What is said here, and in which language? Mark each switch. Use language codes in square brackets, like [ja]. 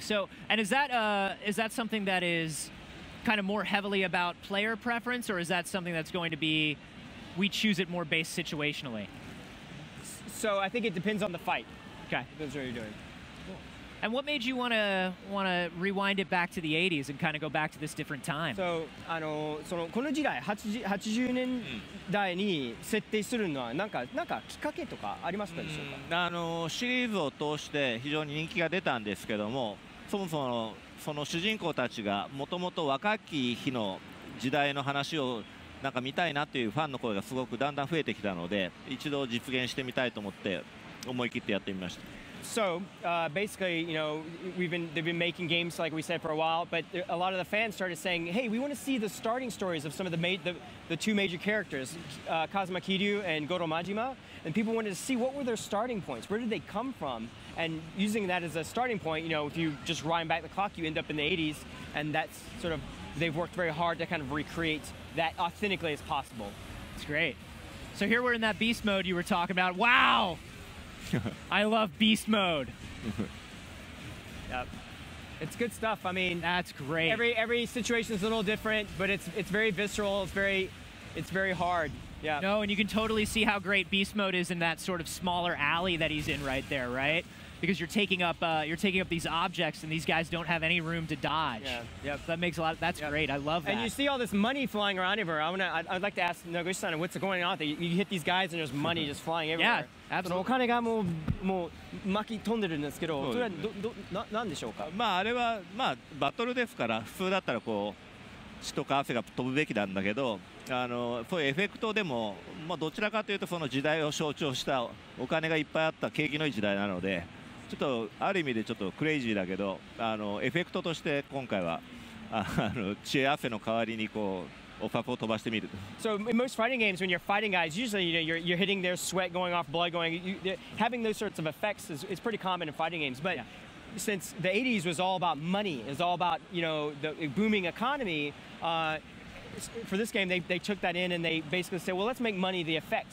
[en] So, and is that something that is kind of more heavily about player preference, or is that something that's going to be we choose it more based situationally? So, I think it depends on the fight. Okay, that's what you're doing. And what made you want to rewind it back to the 80s and kind of go back to this different time? So, [ja] この時代、80年代に設定するのはなんかきっかけとかありましたでしょうか？シリーズを通して非常に人気が出たんですけども、そもそもその主人公たちがもともと若き日の時代の話をなんか見たいなというファンの声がすごくだんだん増えてきたので、一度実現してみたいと思って思い切ってやってみました。 [en] So basically, they've been making games like we said for a while, but a lot of the fans started saying, "Hey, we want to see the starting stories of some of the two major characters, Kazuma Kiryu and Goro Majima." And people wanted to see what were their starting points, where did they come from, and using that as a starting point, if you just rewind back the clock, you end up in the 80s, and that's sort of they've worked very hard to kind of recreate that authentically as possible. It's great. So here we're in that beast mode you were talking about. Wow. I love beast mode. Yep. It's good stuff. I mean, that's great. Every situation is a little different, but it's very visceral. It's very hard. Yeah. No, and you can totally see how great beast mode is in that sort of smaller alley that he's in right there, right? Because you're taking up these objects and these guys don't have any room to dodge. Yeah. Yep. So that makes a lot. That's great. I love that. And you see all this money flying around everywhere. I'd like to ask Nagoshi-san, what's going on? You hit these guys and there's money just flying everywhere. Yeah. [ja] お金がもう巻き飛んでるんですけど、それはなんでしょうか。まああれはまあバトルですから、普通だったらこう血とか汗が飛ぶべきなんだけど、そういうエフェクトでも、まあどちらかというとその時代を象徴したお金がいっぱいあった景気のいい時代なので、ちょっとある意味でちょっとクレイジーだけど、エフェクトとして今回は血汗の代わりにこう。 [en] So in most fighting games, when you're fighting guys, usually you're hitting their sweat going off, blood going. Having those sorts of effects is pretty common in fighting games. But since the 80s was all about money, it was all about the booming economy, for this game, they took that in and they basically said, well, let's make money the effect.